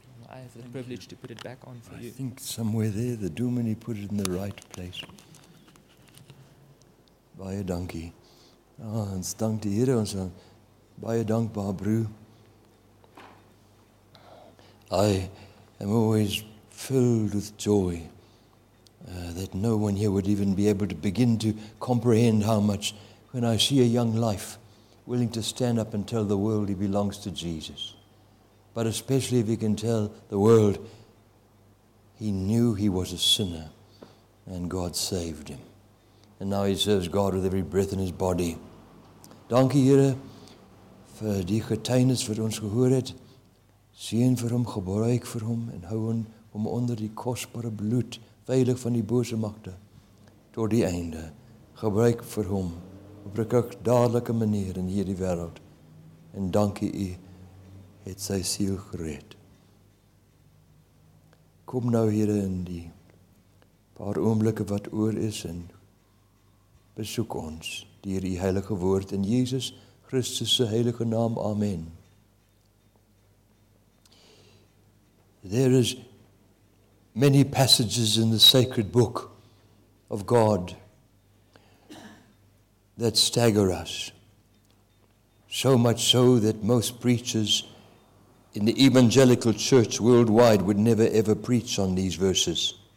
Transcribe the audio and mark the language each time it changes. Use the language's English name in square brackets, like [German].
[English] I have the privilege to put it back on for you. I think somewhere there, the Dominee put it in the right place. [Afrikaans] Baie dankie. Ah, ons dank die Here, ons baie dankbaar, broer. [English] I am always filled with joy that no one here would even be able to begin to comprehend how much when I see a young life willing to stand up and tell the world he belongs to Jesus. But especially if he can tell the world he knew he was a sinner and God saved him. And now he serves God with every breath in his body. [Afrikaans] Dankie Here vir die getuienis wat ons gehoor het. Seën vir hom, gebruik vir hom en hou hom onder die kosbare bloed, veilig van die bose magte, tot die einde. Gebruik vir hom op 'n dadelike manier in hierdie wêreld. En dankie u het sy siel gered. Kom nou Here in die paar oomblikke wat oor is en besoek ons deur die heilige woord in Jesus Christus se heilige naam. Amen. [English] There is many passages in the sacred book of God that stagger us. So much so that most preachers in the evangelical church worldwide would never ever preach on these verses.